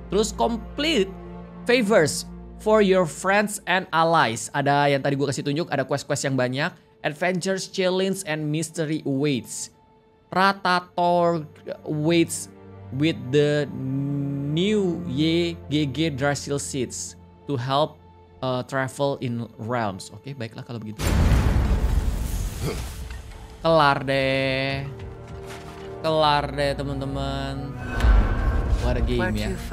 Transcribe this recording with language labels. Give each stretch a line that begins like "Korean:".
Indonesian: Terus
English: complete favors for your friends and allies.
Indonesian: Ada yang tadi gue kasih tunjuk, ada quest-quest yang banyak.
English: Adventures, challenge, and mystery awaits. Ratator waits with the new YGG Drasil Seeds to help travel in realms.
Indonesian: Oke, okay, baiklah kalau begitu. Kelar deh. Kelar deh, teman-teman.
English: What a game,
Indonesian: ya.